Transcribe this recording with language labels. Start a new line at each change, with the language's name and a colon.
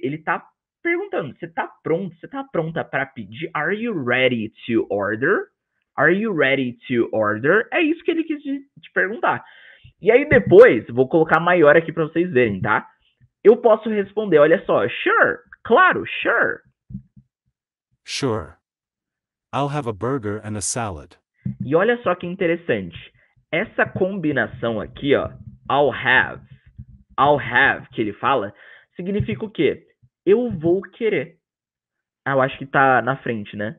Portuguese: Ele está perguntando, você tá pronto? Você tá pronta para pedir?
English: Are you ready to order? Are you ready to order?
Portuguese: É isso que ele quis te perguntar. E aí depois, vou colocar maior aqui para vocês verem, tá? Eu posso responder, olha só, sure, claro, sure.
English: Sure. I'll have a burger and a salad.
Portuguese: E olha só que interessante. Essa combinação aqui, ó,
English: I'll have,
Portuguese: que ele fala, significa o quê? Eu vou querer. Ah, eu acho que tá na frente, né?